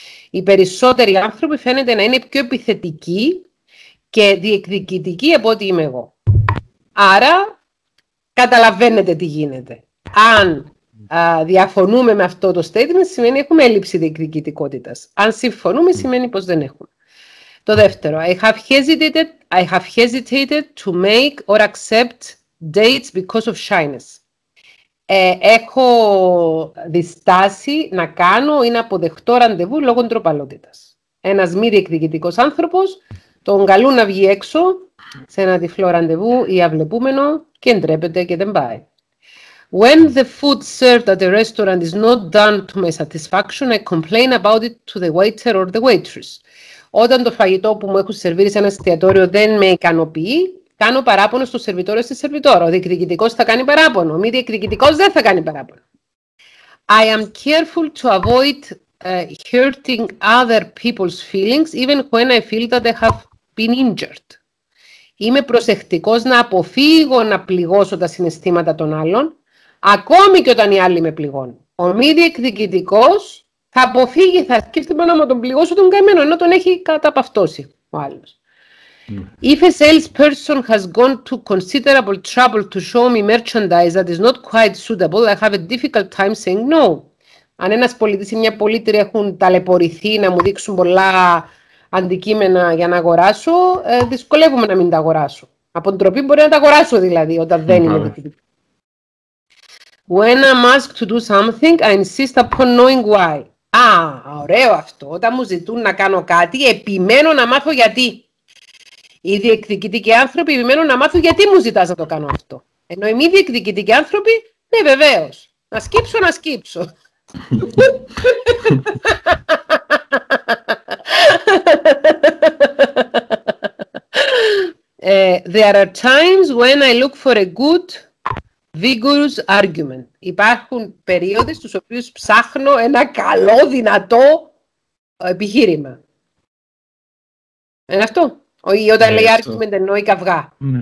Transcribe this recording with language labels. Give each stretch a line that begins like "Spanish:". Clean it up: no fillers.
Greek: Οι περισσότεροι άνθρωποι φαίνεται να είναι πιο επιθετικοί και διεκδικητικοί από ό,τι είμαι εγώ. Άρα, καταλαβαίνετε τι γίνεται. Αν διαφωνούμε με αυτό το statement, σημαίνει έχουμε έλλειψη διεκδικητικότητας. Αν συμφωνούμε, σημαίνει πως δεν έχουμε. Το δεύτερο,
English: I have hesitated to make or accept dates because of shyness.
Greek: Έχω διστάσει να κάνω ή να αποδεχτώ ραντεβού λόγω ντροπαλότητας. Ένας μη διεκδικητικός άνθρωπος, τον καλούν να βγει έξω σε ένα τυφλό ραντεβού ή αβλεπούμενο και ντρέπεται και δεν πάει.
English: When the food served at a restaurant is not done to my satisfaction, I complain about it to the waiter or the waitress.
Greek: Όταν το φαγητό που μου έχουν σερβίρει σε ένα εστιατόριο δεν με ικανοποιεί, κάνω παράπονο στο σερβιτόριο ή στη σερβιτόρα. Ο διεκδικητικός θα κάνει παράπονο. Ο μη διεκδικητικός δεν θα κάνει παράπονο.
English: I am careful to avoid hurting other people's feelings, even when I feel that I have been injured.
Greek: Είμαι προσεκτικός να αποφύγω να πληγώσω τα συναισθήματα των άλλων, ακόμη και όταν οι άλλοι με πληγώνουν. Ο μη διεκδικητικός θα αποφύγει, θα σκέφτεται μόνο να τον πληγώσω τον καημένο, ενώ τον έχει καταπαυτώσει ο άλλος.
English: If a salesperson has gone to considerable trouble to show me merchandise that is not quite suitable, I have a difficult time saying no.
Greek: Αν ένας πολίτης ή μια πολίτρια έχουν ταλαιπωρηθεί να μου δείξουν πολλά αντικείμενα για να αγοράσω, δυσκολεύομαι να μην τα αγοράσω. Από την τροπή μπορεί να τα αγοράσω δηλαδή, όταν δεν είναι διεκδικητικός.
English: When I'm asked to do something, I insist upon knowing why.
Greek: Α, ωραίο αυτό. Όταν μου ζητούν να κάνω κάτι, επιμένω να μάθω γιατί. Οι διεκδικητικοί άνθρωποι επιμένουν να μάθουν γιατί μου ζητάς να το κάνω αυτό. Ενώ οι μη διεκδικητικοί άνθρωποι, ναι, βεβαίως. Να σκύψω, να σκύψω.
English: There are times when I look for a good, vigorous argument.
Greek: Υπάρχουν περίοδες στους οποίους ψάχνω ένα καλό, δυνατό επιχείρημα. Είναι αυτό. Όταν λέει argument εννοεί καυγά.